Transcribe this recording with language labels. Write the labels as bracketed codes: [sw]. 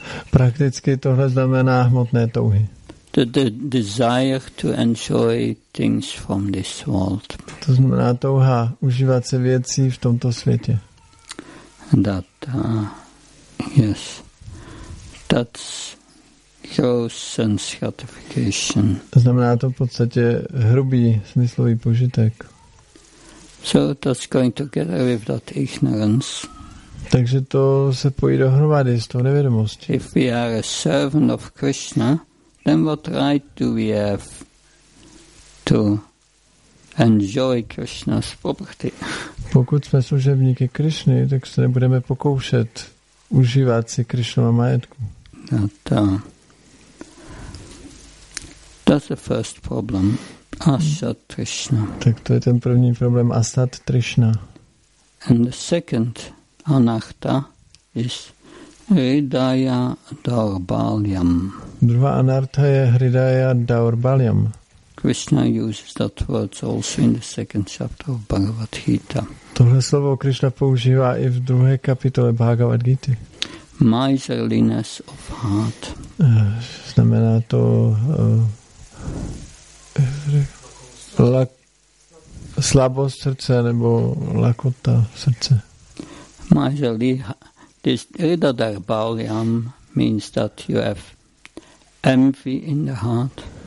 [cs] Prakticky tohle znamená hmotné touhy. [en] The desire to enjoy things from this world. [cs] To znamená touha užívat se věcí v tomto světě. [en] That, yes, that's gross sense gratification. [cs] To znamená to v podstatě hrubý smyslový požitek. [en] So that's going together with that ignorance. [cs] Takže to se pojí dohromady s tou nevědomostí. [en] If we are a servant of Krishna, then what right do we have to enjoy Krishna's property? [cs] Pokud jsme služebníky Krishny, tak se nebudeme pokoušet užívat si Krishnova majetku. [en] That's the first problem. Asat Trishna. [cs] Tak to je ten první problém, asat Trishna. [en] And the second anartha is hridaya daurbalyam. [cs] Druhá anartha je hridaya daurbalyam. [en] Krishna uses that word also in the second chapter of Bhagavad Gita. [cs] Tohle slovo Krishna používá i v druhé kapitole Bhagavad Gita. [en] Miserliness of heart. [cs] Znamená to slabost srdce nebo lakota srdce. [en] Majzali, this Hridayam Daurbalyam means that you have envy in the heart.